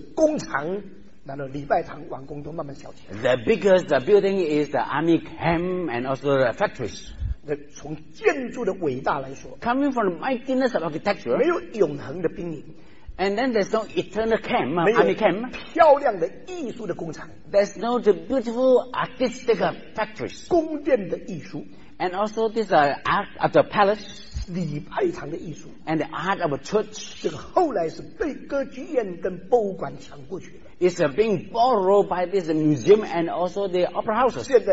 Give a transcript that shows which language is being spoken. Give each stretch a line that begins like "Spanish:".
Chinese: 世界最大的东西是兵营,是工厂,然后礼拜堂,王宫都慢慢小起来。
English: The biggest building is the army camp and also the factories.
Chinese: 从建筑的伟大来说,
English: coming from the mightiness of architecture,
Chinese: 没有永恒的兵营。
English: And then there's no eternal camp, army camp.
Chinese: 漂亮的艺术的工厂。
English: There's no the beautiful artistic factories.
Chinese: 宫殿的艺术。
English: And also this art of the palace.
Chinese: 礼拜堂的艺术,
English: and the art of a church.
Chinese: 这个后来是被歌剧院跟博物馆抢过去的。
English: It's being borrowed by this museum and also the opera houses.